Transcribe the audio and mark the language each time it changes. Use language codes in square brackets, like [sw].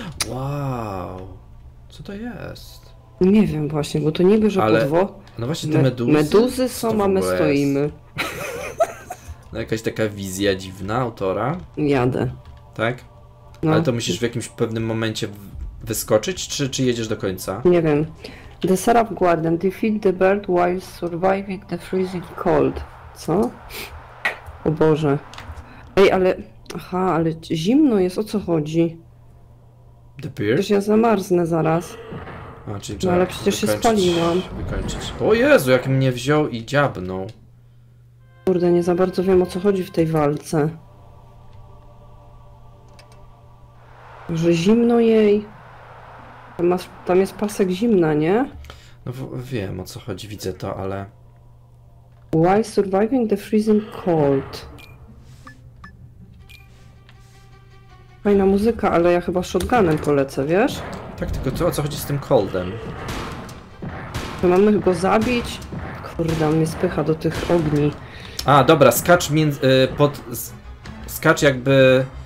[pl] Wow, co to jest? Nie wiem właśnie, bo to niby, że ale... podwo... No właśnie, te meduzy? Meduzy są, a my stoimy. No jakaś taka wizja dziwna autora. Jadę. Tak? No. Ale to musisz w jakimś pewnym momencie wyskoczyć, czy jedziesz do końca? Nie wiem. [en] The Seraph Guardian defeat the bird while surviving the freezing cold. [pl] Co? O Boże. Ej, ale... Aha, ale zimno jest, o co chodzi? [en] The bird? [pl] Przecież ja zamarznę zaraz. A, czyli no, ale przecież się spaliłam. Wykończyć. O Jezu, jak mnie wziął i dziabnął. Kurde, nie za bardzo wiem, o co chodzi w tej walce. Że zimno jej. Tam jest pasek zimna, nie? No wiem, o co chodzi, widzę to, ale... [en] Why surviving the freezing cold? [pl] Fajna muzyka, ale ja chyba shotgunem polecę, wiesz? Tak, tylko to, o co chodzi z tym coldem? To mamy go zabić? Kurde, on mnie spycha do tych ogni. A, dobra, skacz między, pod, skacz jakby...